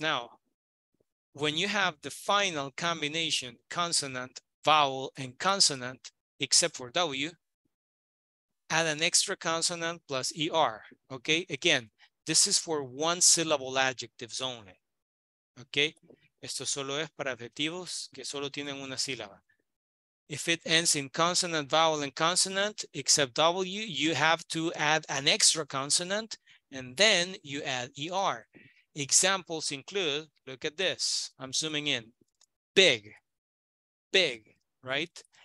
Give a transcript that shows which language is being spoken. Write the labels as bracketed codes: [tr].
[en] Now, when you have the final combination, consonant, vowel, and consonant, except for W, add an extra consonant plus ER, okay? Again, this is for one syllable adjectives only, okay? [es] Esto solo es para adjetivos que solo tienen una sílaba. [en] If it ends in consonant, vowel, and consonant, except W, you have to add an extra consonant, and then you add ER. Examples include, look at this, I'm zooming in, big, right?